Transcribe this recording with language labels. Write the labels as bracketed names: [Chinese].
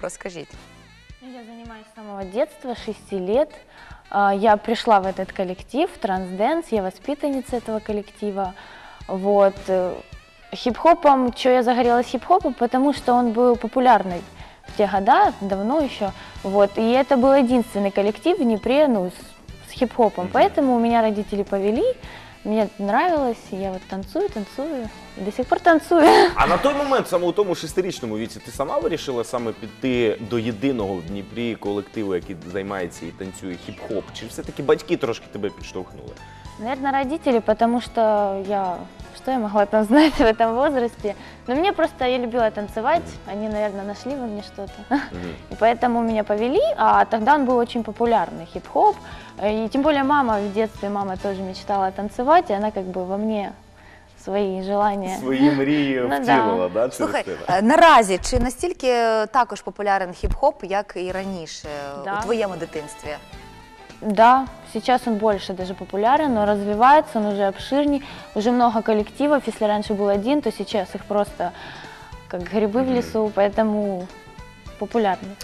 [Ukrainian] Розкажіть. Я займаюся з самого дитинства, 6 років. Я прийшла в цей колектив, трансденс, я воспитаниця цього колектива. Вот. Хіп-хопом, чого я загорілася хіп-хопом? Тому що він був популярний. [Russian] В те года, давно еще. Вот. И это был единственный коллектив в Днепре, ну, с хип-хопом. Поэтому меня родители повели, мне нравилось, я вот танцую, танцую. [Ukrainian] І до сих пор танцює. А на той момент, саме у тому шестирічному віці, ти сама вирішила саме піти до єдиного в Дніпрі колективу, який займається і танцює хіп-хоп? Чи все-таки батьки трошки тебе підштовхнули? [Russian] Наверное, родители, потому что я... Что я могла там знать в этом возрасте? Но мне просто... Я любила танцевать. Они, наверное, нашли во мне что-то. И поэтому меня повели. А тогда он был очень популярный, хип-хоп. И тем более мама в детстве, мама тоже мечтала танцевать. И она как бы во мне... [Ukrainian] Свої желання. Свої мрії втілила, да. Да, слухай, наразі, чи настільки також популярен хіп-хоп, як і раніше, да. У твоєму дитинстві? Так, да, зараз він більше навіть популярен, але розвивається, він вже обширний, вже багато колективів, якщо раніше був один, то зараз їх просто як гриби в лісу, тому популярні.